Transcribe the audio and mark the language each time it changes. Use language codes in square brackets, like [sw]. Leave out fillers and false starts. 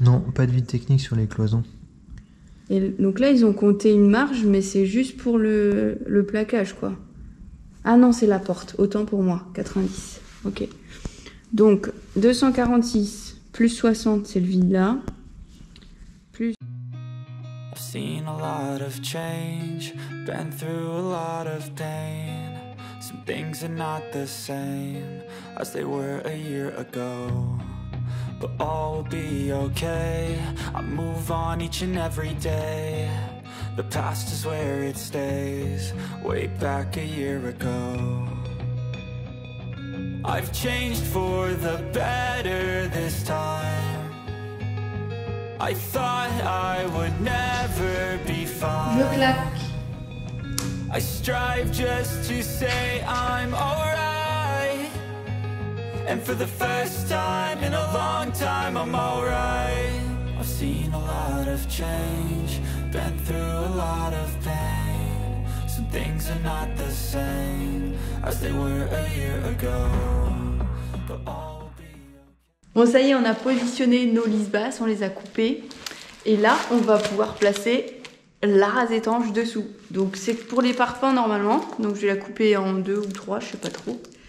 [fr] Non, pas de vide technique sur les cloisons. Et donc là, ils ont compté une marge, mais c'est juste pour le plaquage, quoi. Ah non, c'est la porte. Autant pour moi. 90. Ok. Donc, 246 plus 60, c'est le vide là. Plus... [en] Seen a lot of change, been through a lot of pain. Some things are not the same as they were a year ago. But all will be okay, I move on each and every day. The past is where it stays, way back a year ago. I've changed for the better this time. I thought I would never be fine. I strive just to say I'm alright. And for the first time in a long time, I'm alright. I've seen a lot of change, been through a lot of pain. Some things are not the same as they were a year ago. But all. [fr] Bon, ça y est, on a positionné nos lisses basses, on les a coupées. Et là, on va pouvoir placer la rase étanche dessous. Donc, c'est pour les parfums normalement. Donc, je vais la couper en deux ou trois, je sais pas trop.